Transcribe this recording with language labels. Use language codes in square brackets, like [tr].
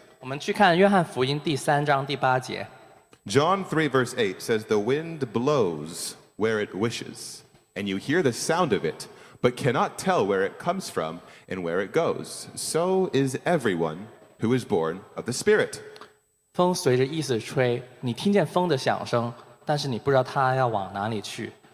[zh] 我们去看约翰福音第三章第八节。 [en] John 3 verse 8 says, The wind blows where it wishes, and you hear the sound of it, but cannot tell where it comes from and where it goes. So is everyone who is born of the Spirit. [zh] 风随着意思吹，你听见风的响声，但是你不知道它要往哪里去。